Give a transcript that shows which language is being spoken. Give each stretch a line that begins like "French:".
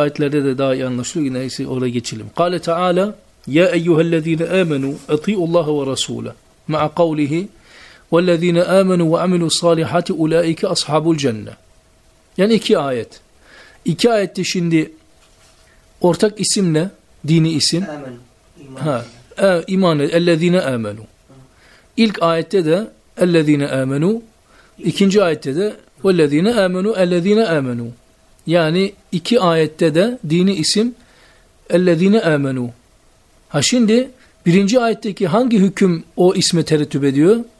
Turkish: Ayetlerde de daha iyi anlaşılıyor. Neyse oraya geçelim.
Arabic: Kale Teala, Ya eyyühellezine amenu eti'ullaha ve rasule ma'a kavlihi وَالَّذ۪ينَ آمَنُوا وَعَمِلُوا الصَّالِحَاتِ اُولَٰئِكَ أَصْحَابُ الْجَنَّةِ.
Turkish: Yani iki ayet. İki ayette şimdi ortak isim ne? Dini isim.
Arabic: آمَنُوا. İman. اَلَّذ۪ينَ آمَنُوا.
Turkish: İlk ayette de
Arabic: اَلَّذ۪ينَ آمَنُوا.
Turkish: İkinci ayette de
Arabic: وَالَّذ۪ينَ آمَنُوا اَلَّذ۪ينَ آمَنُوا.
Turkish: Yani iki ayette de dini isim
Arabic: اَلَّذ۪ينَ آمَنُوا.
Turkish: Ha şimdi birinci ayetteki hangi hüküm o isme terettüp ediyor?